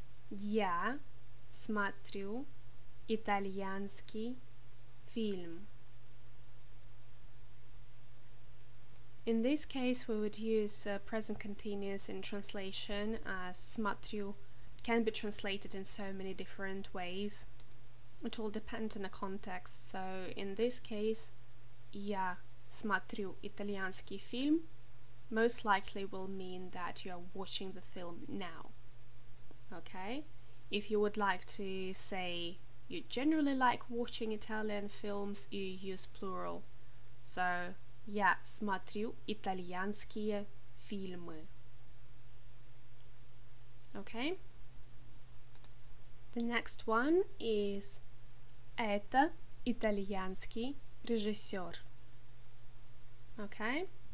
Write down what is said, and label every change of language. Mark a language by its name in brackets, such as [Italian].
[Russian] Я смотрю итальянский фильм. [English] In this case, we would use present continuous in translation as смотрю can be translated in so many different ways. It all depends on the context. So in this case, [Russian] Я смотрю итальянский фильм [English] most likely will mean that you are watching the film now. Okay? If you would like to say you generally like watching Italian films, you use plural. So, [Russian] Я смотрю итальянские фильмы. [English] Okay? The next one is [Russian] Это итальянский режиссер. [English] Okay?